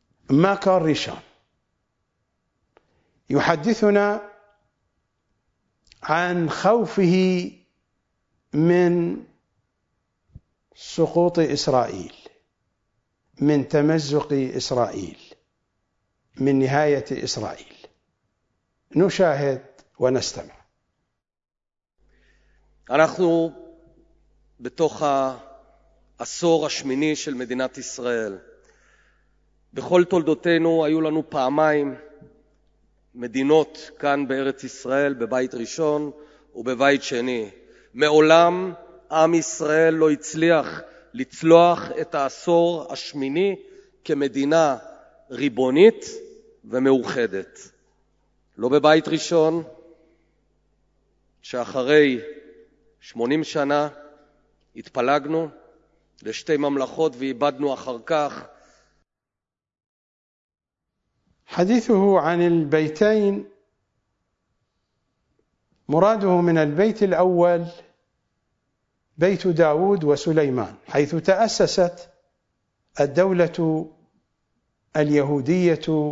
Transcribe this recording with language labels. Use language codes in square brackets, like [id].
[ar] ماكار ريشان، يحدثنا عن خوفه من سقوط إسرائيل، من تمزق إسرائيل، من نهاية إسرائيل. نشاهد ونستمع. [he] אנחנו בתוך העשור השמיני של מדינת ישראל. בכל תולדותינו היו לנו פעמיים מדינות כאן בארץ ישראל, בבית ראשון ובבית שני. מעולם עם ישראל לא הצליח לצלוח את העשור השמיני כמדינה ריבונית ומאוחדת. לא בבית ראשון, שאחרי 80 שנה התפלגנו לשתי ממלכות ואיבדנו אחר כך. [ar] حديثه عن البيتين، مراده من البيت الأول بيت داود وسليمان، حيث تأسست الدولة اليهودية